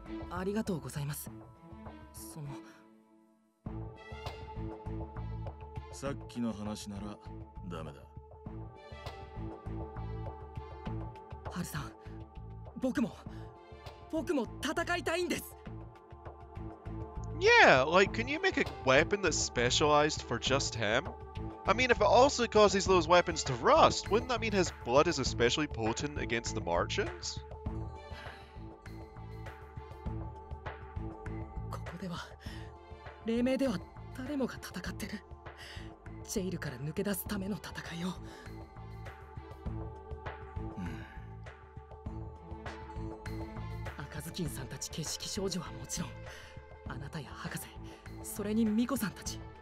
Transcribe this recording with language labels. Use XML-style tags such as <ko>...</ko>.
<ja>ありがとうございます。その… さっきの話ならダメだ。ハルさん、僕も戦いたいんです。</ja> <en>Yeah, like, can you make a weapon that's specialized for just him? I mean, if it also causes those weapons to rust, wouldn't that mean his blood is especially potent against the Marchens?</en> <ja>ここでは、黎明では誰もが戦ってる。ジェイルから抜け出すための戦いを。赤ずきんさんたち景色少女はもちろん、あなたや博士、それに巫女さんたち。</ja>